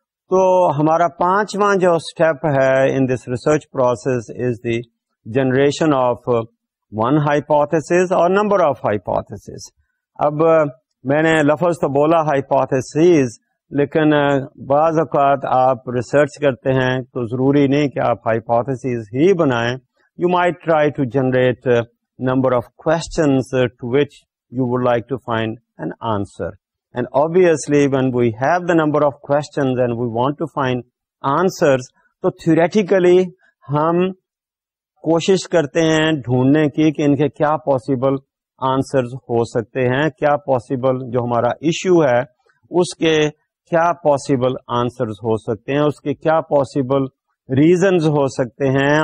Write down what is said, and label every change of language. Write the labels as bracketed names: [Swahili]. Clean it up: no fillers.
[Urdu] To hamara panchwa jo step hai [English] in this research process is the generation of one hypothesis or number of hypotheses. [Urdu] اب میں نے لفظ تو بولا hypotheses, لیکن بعض اوقات آپ ریسرچ کرتے ہیں تو ضروری نہیں کہ آپ hypotheses ہی بنائیں. [English] You might try to generate number of questions to which you would like to find an answer. And obviously when we have the number of questions and we want to find answers, [Urdu] تو theoretically ہم کوشش کرتے ہیں ڈھونڈنے کی کہ ان کے کیا پاسبل آنسرز ہو سکتے ہیں، کیا پاسبل جو ہمارا ایشو ہے اس کے کیا پاسبل آنسرز ہو سکتے ہیں، اس کے کیا پاسبل ریزنز ہو سکتے ہیں.